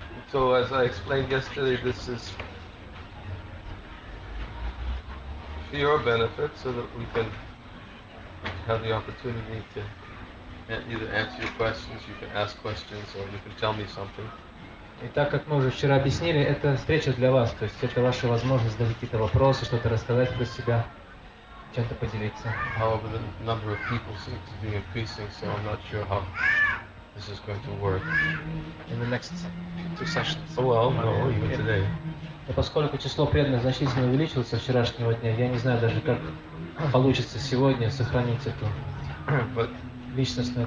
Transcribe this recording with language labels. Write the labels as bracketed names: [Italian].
[English] So as I explained yesterday, this is for your benefit, so that we can have the opportunity to either answer your questions, you can ask questions, or you can tell me something. [Russian] И так как мы уже вчера объяснили, это встреча для вас, то есть это ваша возможность задать какие-то вопросы, что-то рассказать про себя, чем-то поделиться. [English] However, the number of people seems to be increasing, so I'm not sure how this is going to work. In the next two sessions. Oh, well, no, even today. [Russian] Но поскольку число преданных значительно увеличилось со вчерашнего дня, я не знаю даже, как получится сегодня сохранить эту личностную